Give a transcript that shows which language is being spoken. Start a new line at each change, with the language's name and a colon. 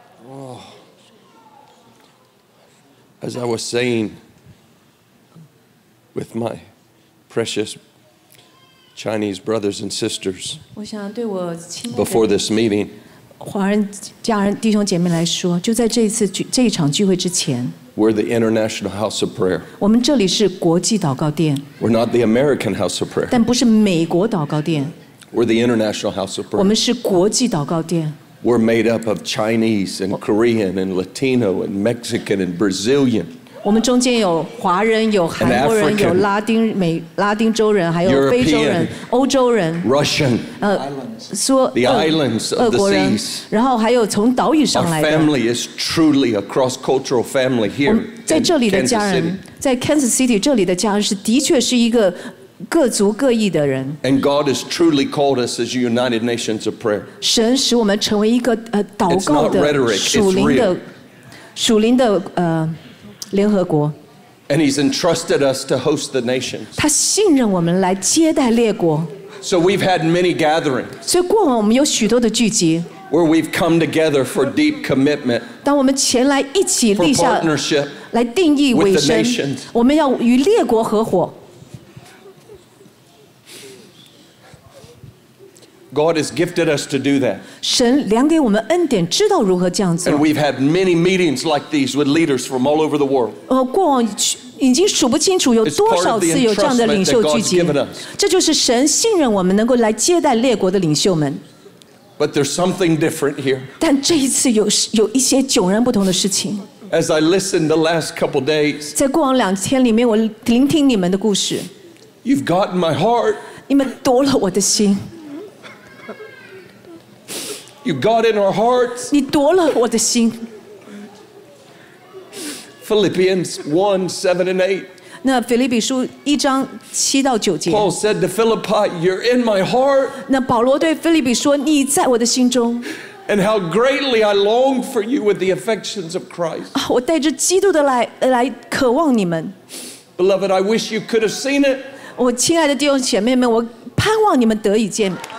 English: Oh, as I was saying with my precious Chinese brothers and sisters before this meeting,
Chinese: 华人家人弟兄姐妹来说，就在这一次这一场聚会之前。
English: We're the International House of Prayer.
Chinese: 我们这里是国际祷告殿。
English: We're not the American House of Prayer.
Chinese: 但不是美国祷告殿。
English: We're the International House of Prayer.
Chinese: 我们是国际祷告殿。
English: We're made up of Chinese and Korean and Latino and Mexican and Brazilian.
Chinese: 我们中间有华人，有韩国人，有拉丁美拉丁洲人，还有非洲人、欧洲人。
English: Russian. The islands of the seas.
Chinese: 然后还有从岛屿上来的。
English: Our family is truly a cross-cultural family here.
Chinese: 在这里的家人，在 Kansas City 这里的家人是的确是一个。各族各异的人。
English: And God has truly called us as a United Nations of Prayer.
Chinese: 神使我们成为一个祷告的属灵的联合国。
English: And He's entrusted us to host the nations.
Chinese: 他信任我们来接待列国。
English: So we've had many gatherings.
Chinese: 所以过往我们有许多的聚集。
English: Where we've come together for deep commitment.
Chinese: 当我们前来一起立下
English: partnership
Chinese: 来定义委身，我们要与列国合伙。
English: God has gifted us to do that.
Chinese: 神量给我们恩典，知道如何这样做。
English: And we've had many meetings like these with leaders from all over the world.
Chinese: 过往已经数不清楚有多少次有这样的领袖聚集。这就是神信任我们能够来接待列国的领袖们。
English: But there's something different here.
Chinese: 但这一次有一些迥然不同的事情。
English: As I listened the last couple days,
Chinese: 在过往两天里面，我聆听你们的故事。
English: You've gotten my heart.
Chinese: 你们夺了我的心。
English: You got in our hearts.
Chinese: 你夺了我的心。
English: Philippians 1:7-8.
Chinese: 那腓立比书一章七到九节。
English: Paul said to Philippi, "You're in my heart."
Chinese: 那保罗对腓立比说，你在我的心中。
English: And how greatly I long for you with the affections of Christ.
Chinese: 我带着基督的来渴望你们。
English: Beloved, I wish you could have seen it.
Chinese: 我亲爱的弟兄姐妹们，我盼望你们得以见。